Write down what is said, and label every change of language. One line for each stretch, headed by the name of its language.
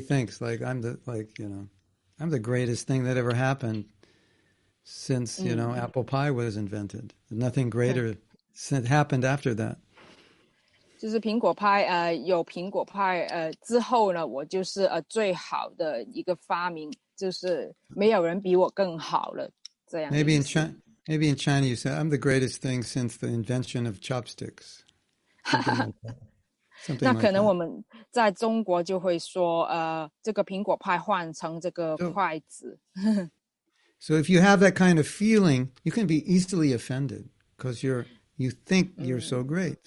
English: thinks like I'm the greatest thing that ever happened since you know apple pie was invented. Nothing greater happened after that.
Chinese: 就是苹果派有苹果派之后呢，我就是最好的一个发明，就是没有人比我更好了。
English: Maybe in China, you say, I'm the greatest thing since the invention of chopsticks. Something like that. Something like that. So if you have that kind of feeling, you can be easily offended because you think you're so great.